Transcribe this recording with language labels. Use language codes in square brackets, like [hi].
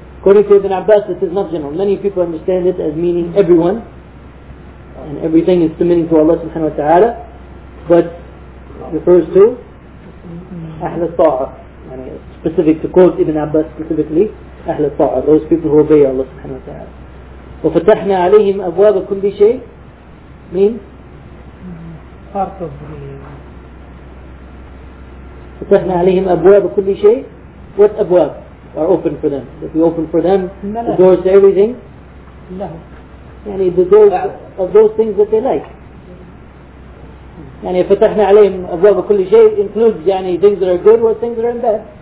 [en] According to Ibn Abbas, this is not general. Many people understand it as meaning everyone. And everything is submitting to Allah subhanahu wa ta'ala, but refers to أهل الطاعة, specific to quote Ibn Abbas specifically, أهل الطاعة, those people who obey Allah subhanahu wa ta'ala. [ar] وفتحنا عليهم أبواب كل شيء mean [en] part of the [ar] فتحنا عليهم أبواب كل شيء. [en] What [ar] أبواب [en] are open for them? If we open for them the doors to everything, يعني the doors of those things that they like. يعني [ar] فتحنا عليهم أبواب كل شيء [en] includes يعني things that are good or things that are bad.